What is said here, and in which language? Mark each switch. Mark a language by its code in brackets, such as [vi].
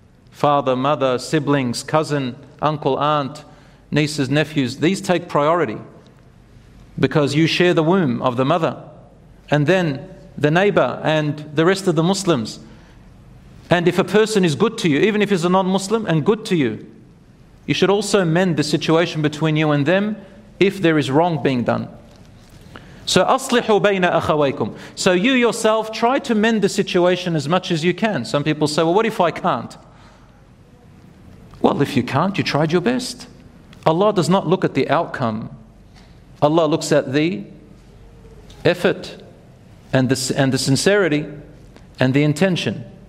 [en] Father, mother, siblings, cousin, uncle, aunt, nieces, nephews, these take priority because you share the womb of the mother. And then the neighbor and the rest of the Muslims. And if a person is good to you, even if he's a non-Muslim and good to you, you should also mend the situation between you and them if there is wrong being done. [ar] So أصلحوا بين أخويكم. [en] So you yourself try to mend the situation as much as you can. Some people say, well, what if I can't? Well, if you can't, you tried your best. Allah does not look at the outcome. Allah looks at the effort and the sincerity and the intention.